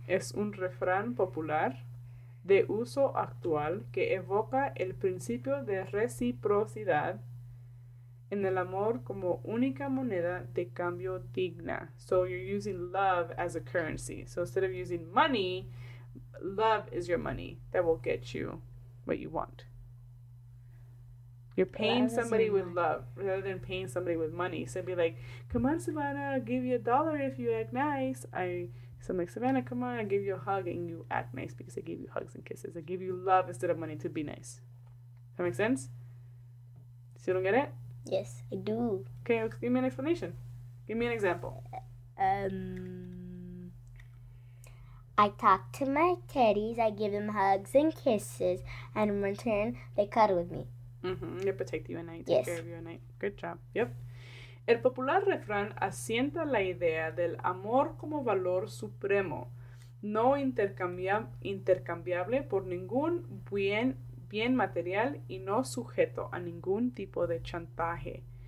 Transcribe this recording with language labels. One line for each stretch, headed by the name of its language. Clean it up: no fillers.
Spanish: Es un refrán popular de uso actual que evoca el principio de reciprocidad en el amor como única moneda de cambio digna.
English: So you're using love as a currency. So instead of using money, love is your money that will get you what you want. You're paying somebody with love rather than paying somebody with money. So it'd be like, come on, Savannah, I'll give you a dollar if you act nice. I So I'm like, Savannah, come on, I give you a hug, and you act nice because I gave you hugs and kisses. I give you love instead of money to be nice. That makes sense? So you don't get it? Yes, I do. Okay, give me an explanation. Give me an example. I talk to my teddies, I give them hugs and kisses, and in return, they cuddle with me. Mm-hmm. They protect you at night, take care of you at night. Good job. Yep.
Spanish: El popular refrán asienta la idea del amor como valor supremo, no intercambiable por ningún bien material y no sujeto a ningún tipo de chantaje.